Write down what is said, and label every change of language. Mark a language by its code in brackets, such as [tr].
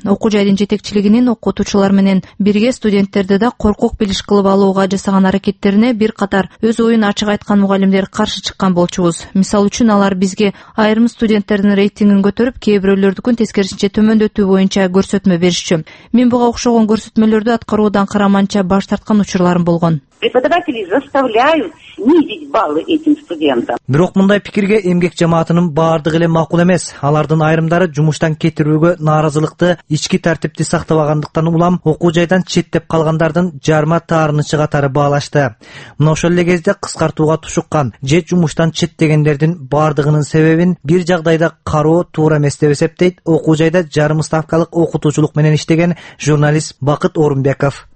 [ky] Окуу жайдын жетекчилигинин окутуучулар менен бирге студенттерди да коркок билиш кылып алууга жасаган аракеттерине бир катар өз оюн ачык айткан мугалимдер каршы чыккан болчубуз. Мисал үчүн алар бизге айрым студенттердин рейтингин көтөрүп, кээ бирөөлөрдүкүн тескерисинче төмөндөтүү боюнча көрсөтмө беришчү. Мен буга окшогон көрсөтмөлөрдү аткаруудан караманча баш тарткан учурларым болгон. [ru] преподаватели заставляют снизить баллы этим студентам. [ky] Бирок мындай пикирге эмгек жамаатынын баардыгы эле макул эмес. Алардын айрымдары жумуштан кетирүүгө нааразылыкты ички тартипти сактабагандыктан улам окуу жайдан четтеп калгандардын жарма таарынычы катары баалашты. Мына ошол эле кезде кыскартууга тушуккан же жумуштан четтегендердин баардыгынын себебин бир жагдайда кароо туура эмес деп эсептейт окуу жайда жарым ставкалык окутуучулук менен иштеген журналист Бакыт Орунбеков.